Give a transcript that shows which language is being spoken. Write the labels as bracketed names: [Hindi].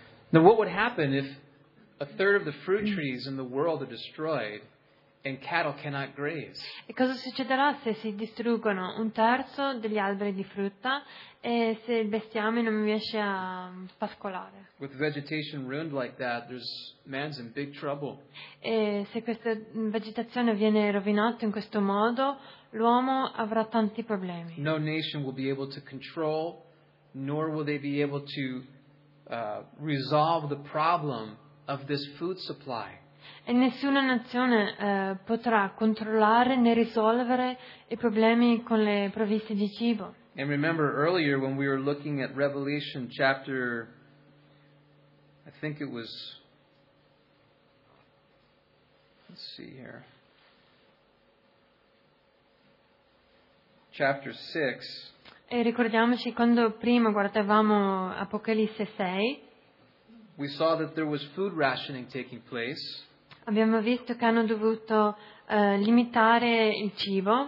[English] Now, what would happen if a third of the fruit trees in the world are destroyed and cattle cannot graze? [Italian] E cosa succederà se si distruggono un terzo degli alberi di frutta e se il bestiame non riesce a pascolare? [English] With vegetation ruined like that, man's in big trouble. [Italian] E se questa vegetazione viene rovinata in questo modo, l'uomo avrà tanti problemi. [English] No nation will be able to control, nor will they be able to resolve the problem of this food supply. [Italian] E nessuna nazione potrà controllare né risolvere i problemi con le provviste di cibo. [English] And remember earlier when we were looking at Revelation chapter, I think it was, let's see here. Chapter 6. [Italian] E ricordiamoci quando prima guardavamo Apocalisse 6. [English] We saw that there was food rationing taking place. [Italian] Abbiamo visto che hanno dovuto limitare il cibo.